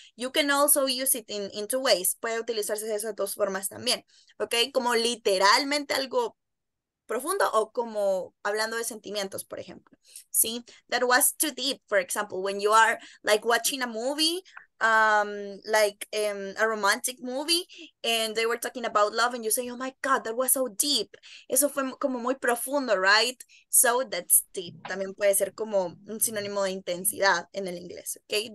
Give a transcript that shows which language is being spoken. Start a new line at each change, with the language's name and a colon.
English: You can also use it in two ways.
Spanish: Puede utilizarse esas dos formas también, okay? Como literalmente algo profundo o como hablando de sentimientos, por ejemplo. ¿Sí?
English: That was too deep, for example, when you are like watching a movie, a romantic movie, and they were talking about love, and you say, oh my God, that was so deep.
Spanish: Eso fue como muy profundo, right?
English: So that's deep.
Spanish: También puede ser como un sinónimo de intensidad en el inglés, okay?